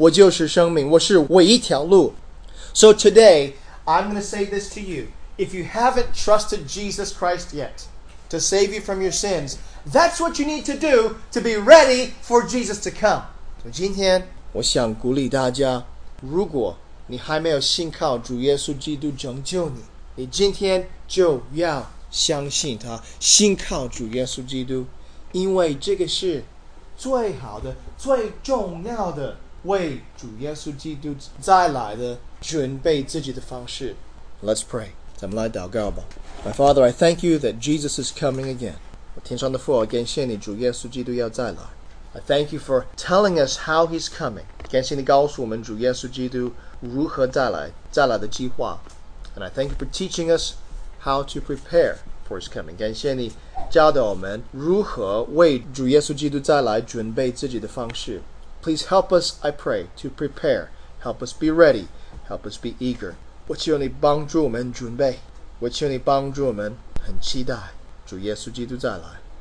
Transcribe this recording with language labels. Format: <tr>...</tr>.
<zh>主耶稣在第六节，主耶稣的意思就是相信我，信靠我。没有另一条路能带你到父那里去，要相信我，因为我就是真理，我就是生命，我是唯一条路。So</zh> <en>today, I'm going to say this to you. If you haven't trusted Jesus Christ yet to save you from your sins, that's what you need to do to be ready for Jesus to come.</en> <zh>今天我想鼓励大家。如果你还没有信靠主耶稣基督拯救你，你今天就要相信他，信靠主耶稣基督。因为这个是最好的、最重要的为主耶稣基督再来的准备自己的方式。</zh> <en>Let's pray.</en> <zh>咱们来祷告吧。</zh> <en>My Father, I thank you that Jesus is coming again.</en> <zh>我天上的父，感谢你主耶稣基督要再来。</zh> <en>I thank you for telling us how he's coming.</en> <zh>感谢你告诉我们主耶稣基督如何再来的计划。</zh> <en>And I thank you for teaching us how to prepare for his coming.</en> <zh>感谢你教导我们如何为主耶稣基督再来准备自己的方式。</zh> <en>Please help us, I pray, to prepare. Help us be ready. Help us be eager.</en> <zh>我求你帮助我们准备。我求你帮助我们很期待主耶稣基督再来。</zh>